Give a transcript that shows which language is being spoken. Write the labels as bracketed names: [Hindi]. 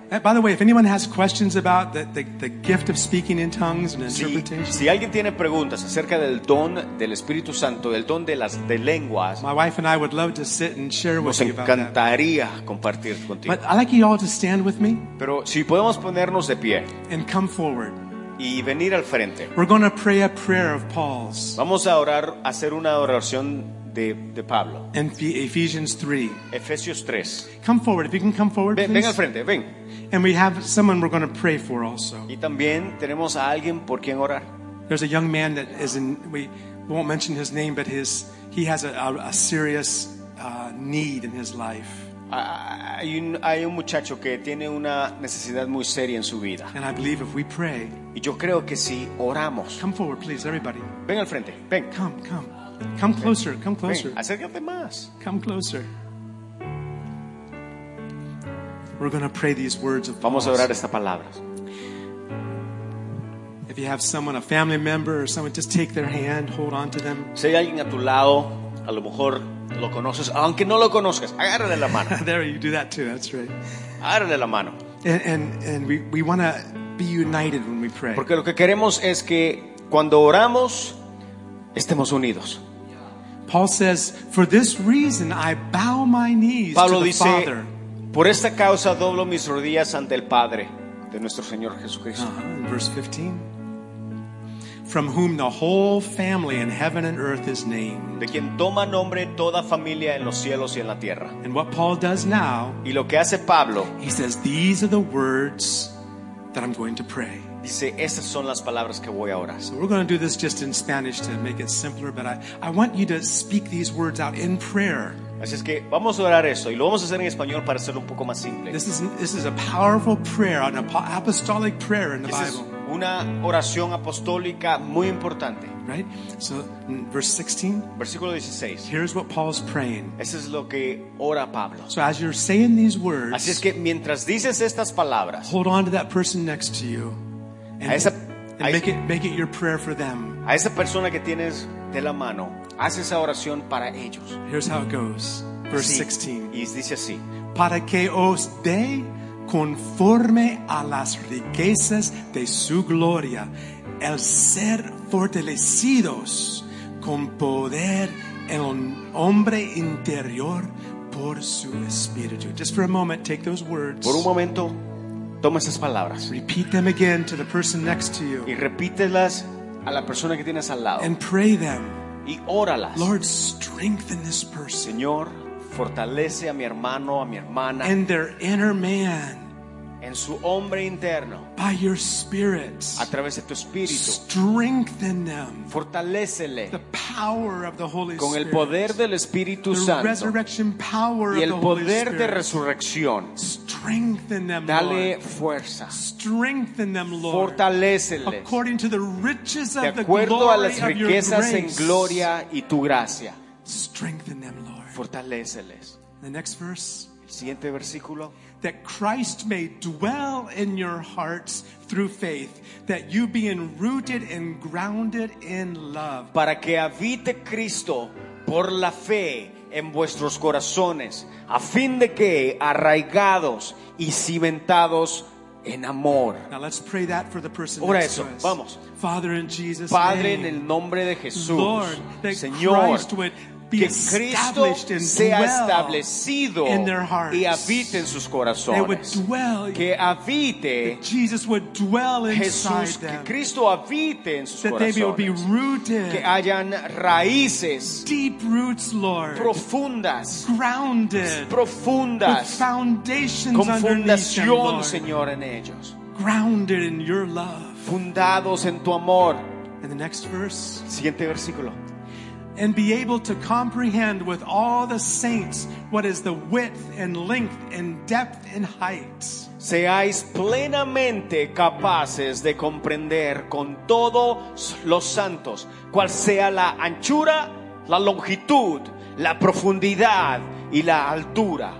[English] By the way, if anyone has questions about the gift of speaking in tongues and interpretation, [Spanish] si alguien tiene preguntas acerca del don del Espíritu Santo, del don de lenguas, [English] my wife and I would love to sit and share with you about that. [Spanish] Nos encantaría compartir contigo. [English] But I'd like you all to stand with me. [Spanish] Pero si podemos ponernos de pie. [English] And come forward. [Spanish] Y venir al frente. [English] We're going to pray a prayer of Paul's. [Spanish] Vamos a orar, hacer una oración. De Pablo. [English] Ephesians 3. [Spanish] Efesios 3. [English] Come forward, if you can come forward, [Spanish] ven, [English] please. [Spanish] Ven al frente, ven. [English] And we have someone we're going to pray for also. [Spanish] Y también tenemos a alguien por quien orar. [English] There's a young man that is in, we won't mention his name, but he has a serious need in his life. [Spanish] Hay un muchacho que tiene una necesidad muy seria en su vida. [English] And I believe if we pray. [Spanish] Y yo creo que si oramos. [English] Come forward, please, everybody. [Spanish] Ven al frente, ven. [English] Come. Come closer, come closer. [Spanish] Ven, acércate más. [English] Come closer. We're going to pray these words of Paul. [Spanish] Vamos a orar estas palabras. [English] If you have someone, a family member or someone, just take their hand, hold on to them. [Spanish] Si hay alguien a tu lado, a lo mejor lo conoces, aunque no lo conozcas, agárrale la mano. [English] There you do that too, that's right. [Spanish] Agárrale la mano. [English] And we want to be united when we pray. [Spanish] Porque lo que queremos es que cuando oramos estemos unidos. [English] Paul says, "For this reason, I bow my knees [Spanish] Pablo [English] to the [Spanish] dice, [English] Father." [Spanish] Por esta causa doblo mis rodillas ante el Padre de nuestro Señor Jesucristo. [English] Verse 15. From whom the whole family in heaven and earth is named. [Spanish] De quien toma nombre toda familia en los cielos y en la tierra. [English] And what Paul does now? [Spanish] Y lo que hace Pablo? [English] He says, "These are the words that I'm going to pray." [Spanish] Dice, estas son las palabras que voy a orar. [English] So we're going to do this just in Spanish to make it simpler, but I want you to speak these words out in prayer. [Spanish] Así es que vamos a orar eso y lo vamos a hacer en español para hacerlo un poco más simple. [English] This is a powerful prayer, an apostolic prayer in the Bible. [Spanish] Una oración apostólica muy importante. [English] Right? So, verse 16. [Spanish] Versículo 16. [English] Here's what Paul's praying. [Spanish] Eso es lo que ora Pablo. [English] So as you're saying these words, así es que mientras dices estas palabras, hold on to that person next to you. And make it your prayer for them. [Spanish] A esa persona que tienes de la mano, haz esa oración para ellos. [English] Here's how it goes. Verse 16. [Spanish] Y dice así. Para que os dé conforme a las riquezas de su gloria, el ser fortalecidos con poder en el hombre interior por su espíritu. [English] Just for a moment, take those words. [Spanish] Por un momento. Toma esas palabras. [English] Repeat them again to the person next to you. [Spanish] Y repítelas a la persona que tienes al lado. [English] And pray them. [Spanish] Y óralas. [English] Lord, strengthen this person. [Spanish] Señor, fortalece a mi hermano, a mi hermana. [English] And their inner man. [Spanish] En su hombre interno. [English] By your spirit. [Spanish] A través de tu espíritu. [English] Strengthen them. [Spanish] Fortalécele. [English] The power of the Holy Spirit. [Spanish] Con el poder del Espíritu Santo. [English] The resurrection power of the Holy Spirit. [Spanish] Y el poder de resurrección. [English] Strengthen them, Lord. [Spanish] Dale fuerza. [English] Strengthen them, Lord. [Spanish] Fortaléceles. [English] According to the riches of the glory of your grace. [Spanish] De acuerdo a las riquezas en gloria y tu gracia. [English] Strengthen them, Lord. [Spanish] Fortaléceles. [English] The next verse. [Spanish] El siguiente versículo. [English] That Christ may dwell in your hearts through faith, that you being rooted and grounded in love. [Spanish] Para que habite Cristo por la fe en vuestros corazones, a fin de que arraigados y cimentados en amor. [English] Now let's pray that for the person. [Spanish] Ora eso, vamos. [English] Father, in Jesus' name. [Spanish] Padre, en el nombre de Jesús. [English] Lord, that [Spanish] Señor, [English] Christ would be [Spanish] que Cristo [English] established and [Spanish] sea [English] dwell [Spanish] establecido [English] in their hearts. [Spanish] Y habite en sus corazones. [English] They would dwell, [Spanish] que habite. [English] That Jesus would dwell inside [Spanish] Jesús, [English] them. [Spanish] Que Cristo habite en sus [English] that [Spanish] corazones. [English] They would be rooted, [Spanish] que hayan raíces. [English] Deep roots, Lord. [Spanish] Profundas. [English] Grounded. [Spanish] Profundas. [English] With foundations [Spanish] con fundación, [English] underneath them, [Spanish] Señor, en ellos. [English] Grounded in your love. [Spanish] Fundados en tu amor. [English] And the next verse. [Spanish] Siguiente versículo. [English] And be able to comprehend with all the saints what is the width and length and depth and height. [Spanish] Seáis plenamente capaces de comprender con todos los santos cuál sea la anchura, la longitud, la profundidad y la altura.